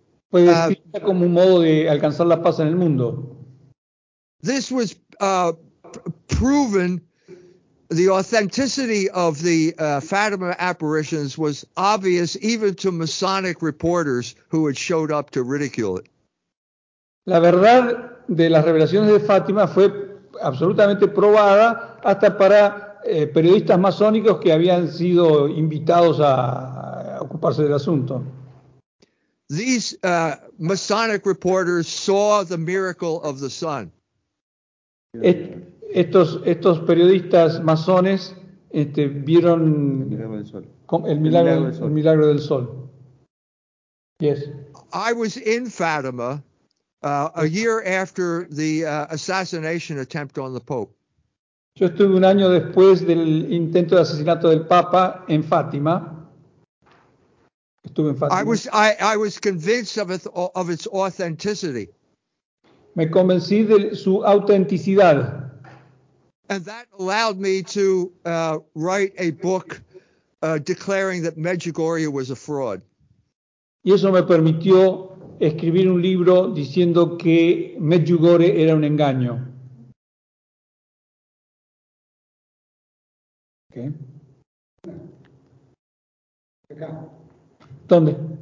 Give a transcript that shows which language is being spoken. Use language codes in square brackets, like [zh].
[es] Pues era como un modo de alcanzar la paz en el mundo. [en] This was proven. The authenticity of the Fatima apparitions was obvious even to Masonic reporters who had showed up to ridicule it. [es] La verdad de las revelaciones de Fátima fue absolutamente probada hasta para periodistas masónicos que habían sido invitados a ocuparse del asunto. [en] These Masonic reporters saw the miracle of the sun. [es] Estos periodistas masones vieron el milagro del sol. [en] Yes. I was in Fátima a year after the assassination attempt on the Pope. [es] Yo estuve un año después del intento de asesinato del Papa en Fátima. Estuve en Fátima. [en] I was convinced of its authenticity. [es] Me convencí de su autenticidad. [en] And that allowed me to write a book declaring that Medjugorje was a fraud. [es] Y eso me permitió escribir un libro diciendo que Medjugorje era un engaño. ¿Qué? Acá. ¿Dónde?